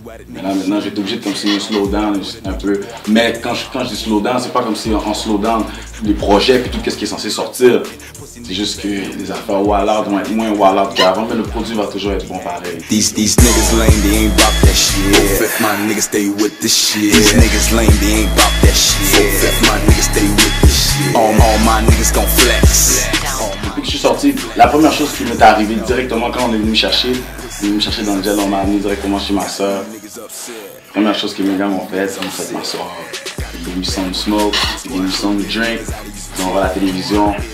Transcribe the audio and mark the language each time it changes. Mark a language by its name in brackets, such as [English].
[French] Mais là, maintenant, j'étais obligé de comme si me [English] slow down [French] un peu. Mais quand je dis slow down, c'est pas comme si en slow down les projets puis tout ce qui est censé sortir. C'est juste que les affaires wild-out vont être moins wild-out qu'avant, mais le produit va toujours être bon pareil. [English] These niggas lame, they ain't bop that shit. My niggas stay with the shit. These niggas lame, they ain't bop that shit. My niggas stay with the shit. All my niggas gon' flex. [French] Depuis que je suis sorti, la première chose qui m'est arrivée directement quand on est venu me chercher dans le gel, on m'a amené directement chez ma soeur. La première chose que mes gars m'ont fait, c'est qu'on m'a fait m'asseoir. Ils ont mis son smoke, ils ont mis son drink, ils ont vu la télévision.